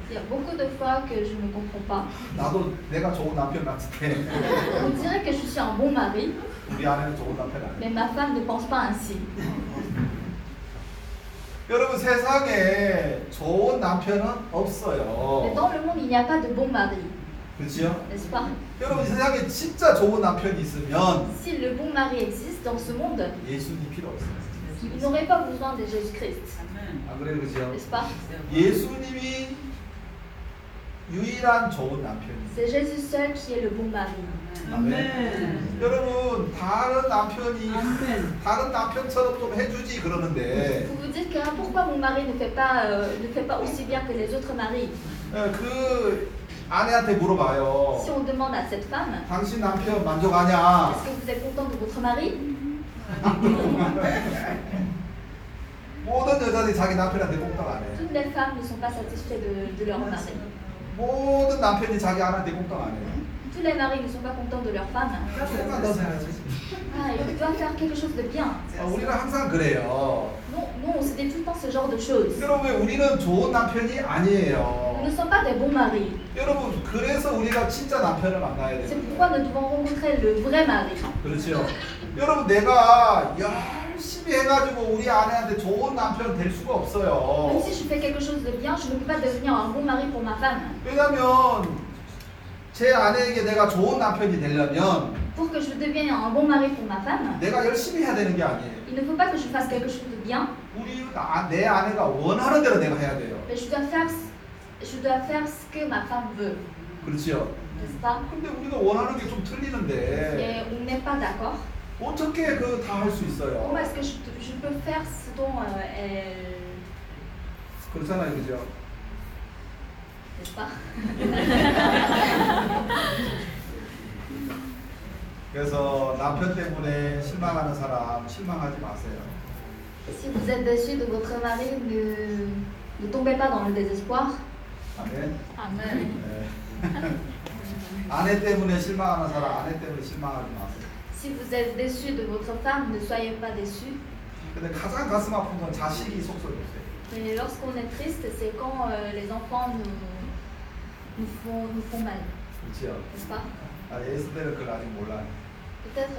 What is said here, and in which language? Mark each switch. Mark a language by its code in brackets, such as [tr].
[fr] Il y a beaucoup de fois que je ne comprends pas. [ko] 나도 내가 좋은 남편 같은데. [fr] On dirait que je suis un bon mari. [ko] 우리 아내는 좋은 남편 아니야. [fr] Mais ma femme ne pense pas ainsi. [ko] 여러분 세상에 좋은 남편은 없어요. [fr] Mais dans le monde il n'y a pas de bon mari. [ko] 그렇죠? [fr] N'est-ce pas? [ko] 여러분 세상에 진짜 좋은 남편이 있으면. [fr] Si le bon mari existe dans ce monde. [ko] 예수님 필요 없어요. [fr] Il n'aurait pas besoin de Jésus-Christ. [ko] Amen. 아, 그래, [fr] n'est-ce pas? [ko] 예수님이 유일한 좋은 남편이. [fr] C'est Jésus seul qui est le bon mari. Amen. Amen. [ko] 여러분 다른 남편이 Amen. 다른 남편처럼 좀 해주지 그러는데. [fr] Vous vous dites que pourquoi mon mari ne fait pas aussi bien que les autres maris? [ko] 그 아내한테 물어봐요. [fr] Si on demande à cette femme. [ko] 당신 남편 만족하냐? [fr] Est-ce que vous êtes content de votre mari? [ko] 모든 여자들이 자기 남편한테 꼼짝 안 해. [fr] Toutes les femmes ne sont pas satisfaites de leur mari. [ko] 모든 남편이 자기 아내한테 꼼짝 안 해. [fr] Tous les maris ne sont pas contents de leur femme. Ils doivent faire quelque chose de bien. Non, c'était tout le temps ce genre de choses. Nous ne sommes pas des bons maris. C'est pourquoi nous devons rencontrer le vrai mari. [ko] 여러분 내가 열심히 해가지고 우리 아내한테 좋은 남편 될 수가 없어요. [fr] Même si je fais quelque chose de bien, je ne peux pas devenir un bon mari pour ma femme. [ko] 왜냐면 제 아내에게 내가 좋은 남편이 되려면 [fr] Pour que je devienne un bon mari pour ma femme, [ko] 내가 열심히 해야 되는 게 아니에요. [fr] Il ne faut pas que je fasse quelque chose de bien. [ko] 우리 내 아내가 원하는 대로 내가 해야 돼요. [fr] Mais je dois faire ce que ma femme veut. [ko] 그렇죠. 근데 우리가 원하는 게 좀 틀리는데. [fr] Et on n'est pas d'accord. [ko] 어떻게 그 다 할 수 있어요? [fr] Comment est-ce que je peux faire ce dont elle... [ko] 그렇잖아요, 그죠? [fr] N'est-ce pas? [ko] 그래서 남편 때문에 실망하는 사람 실망하지 마세요. [fr] Si vous êtes déçu de votre mari, ne tombez pas dans le désespoir. [ko] 아멘. 아멘. 아내 때문에 실망하는 사람 아내 때문에 실망하지 마세요. [fr] Si vous êtes déçu de votre femme, ne soyez pas déçu. Mais lorsqu'on est triste, c'est quand les enfants nous font mal. N'est-ce pas? Peut-être.